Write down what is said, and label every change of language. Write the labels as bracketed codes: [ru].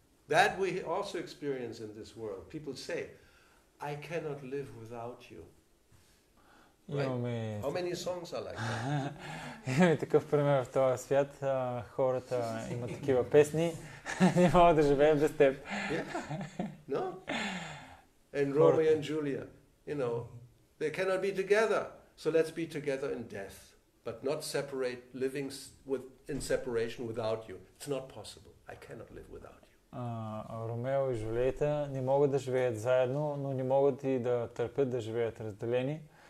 [en] That we also experience in this world. People say, I cannot live without you. Right. How many songs are like that? [bg] Имаме такъв пример в този свят. Хората имат такива песни. Не мога да живеем без теб. [en] No? And Romeo and Julia, you know, they cannot be together. So let's be together in death, but not separate, living in separation without you. It's not possible. I cannot live without you. [bg] Ромео и Джулиета не могат да живеят заедно, но не могат и да търпят да живеят разделени.